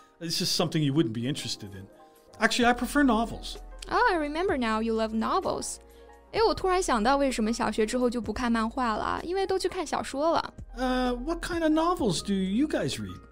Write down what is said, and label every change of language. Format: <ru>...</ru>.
<en>It's just something you wouldn't be interested in. Actually, I prefer novels. Oh, I remember now you love novels.</en> <zh>诶我突然想到为什么小学之后就不看漫画了因为都去看小说了。</zh> <en>What kind of novels do you guys read?</en>